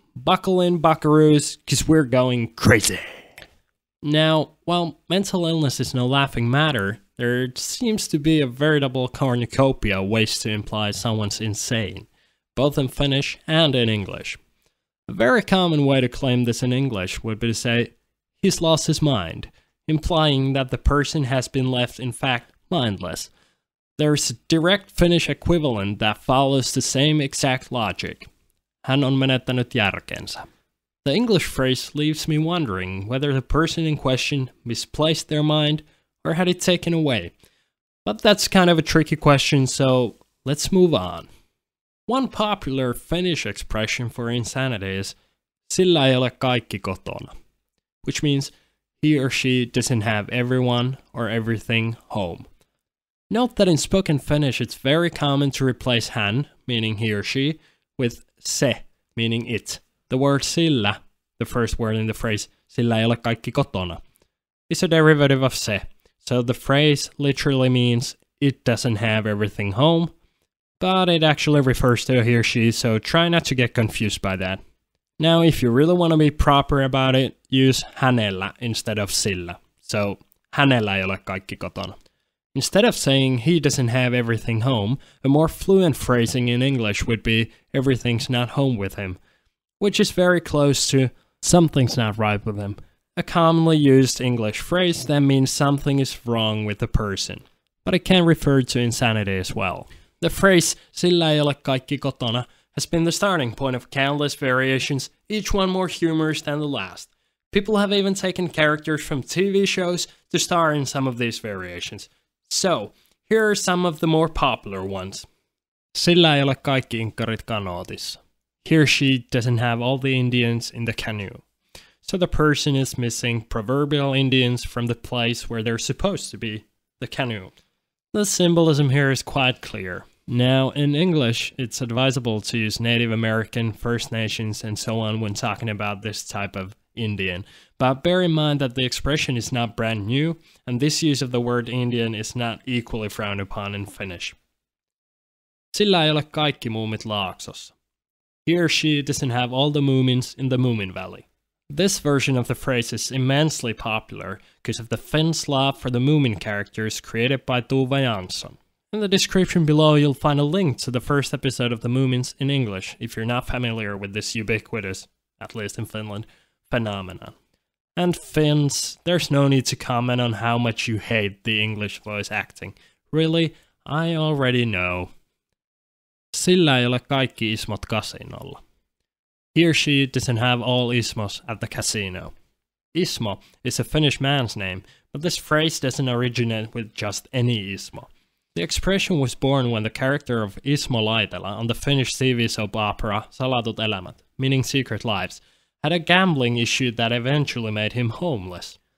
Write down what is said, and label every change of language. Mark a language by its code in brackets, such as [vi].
[en] Buckle in, buckaroos, because we're going crazy. Now, while mental illness is no laughing matter, there seems to be a veritable cornucopia of ways to imply someone's insane, both in Finnish and in English. A very common way to claim this in English would be to say, he's lost his mind, implying that the person has been left, in fact, mindless. There's a direct Finnish equivalent that follows the same exact logic. [fi] Hän on menettänyt järkensä. [en] The English phrase leaves me wondering whether the person in question misplaced their mind or had it taken away. But that's kind of a tricky question, so let's move on. One popular Finnish expression for insanity is [fi] sillä ei ole kaikki kotona, [en] which means he or she doesn't have everyone or everything home. Note that in spoken Finnish it's very common to replace hän, meaning he or she, with se, meaning it. The word sillä, the first word in the phrase [fi] sillä ei ole kaikki kotona, [en] is a derivative of se, so the phrase literally means it doesn't have everything home. But it actually refers to he or she, so try not to get confused by that. Now, if you really want to be proper about it, use hänellä instead of sillä. So, [fi] hänellä ei ole kaikki kotona. [en] Instead of saying he doesn't have everything home, a more fluent phrasing in English would be everything's not home with him, which is very close to something's not right with him, a commonly used English phrase that means something is wrong with the person. But it can refer to insanity as well. The phrase [fi] sillä ei ole kaikki kotona [en] has been the starting point of countless variations, each one more humorous than the last. People have even taken characters from TV shows to star in some of these variations. So, here are some of the more popular ones. [fi] Sillä ei ole kaikki inkarit kanootissa. [en] He or she doesn't have all the Indians in the canoe. So the person is missing proverbial Indians from the place where they're supposed to be, the canoe. The symbolism here is quite clear. Now, in English, it's advisable to use Native American, First Nations, and so on when talking about this type of Indian. But bear in mind that the expression is not brand new, and this use of the word Indian is not equally frowned upon in Finnish. [fi] Sillä ei ole kaikki Moomit Laaksossa. [en] He or she doesn't have all the Moomins in the Moomin Valley. This version of the phrase is immensely popular because of the Finn's love for the Moomin characters created by Tove Jansson. In the description below, you'll find a link to the first episode of the Moomins in English if you're not familiar with this ubiquitous, at least in Finland, phenomenon. And Finns, there's no need to comment on how much you hate the English voice acting. Really, I already know. [fi] Sillä ei ole kaikki ismot kasinolla. [en] He or she doesn't have all ismos at the casino. Ismo is a Finnish man's name, but this phrase doesn't originate with just any ismo. The expression was born when the character of Ismo Laitela on the Finnish TV soap opera Salatut Elämät, meaning Secret Lives, had a gambling issue that eventually made him homeless.